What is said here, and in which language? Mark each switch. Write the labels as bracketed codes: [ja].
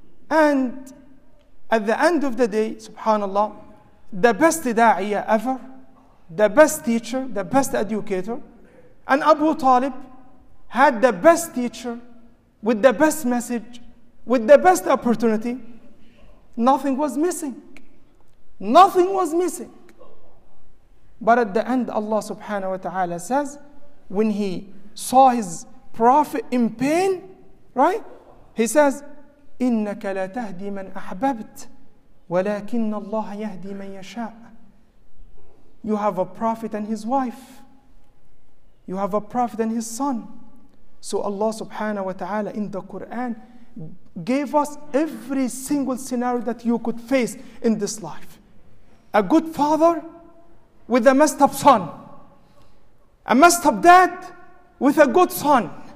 [en] And at the end of the day, subhanAllah, the best da'iyah ever, the best teacher, the best educator, and Abu Talib had the best teacher with the best message, with the best opportunity. Nothing was missing. Nothing was missing. But at the end, Allah subhanahu wa ta'ala says, when he saw his prophet in pain, right? He says, [ar] إنك لا تهدي من أحببت ولكن الله يهدي من يشاء. [en] You have a prophet and his wife. You have a prophet and his son. So Allah subhanahu wa ta'ala in the Quran gave us every single scenario that you could face in this life. A good father with a messed up son. A messed up dad with a good son.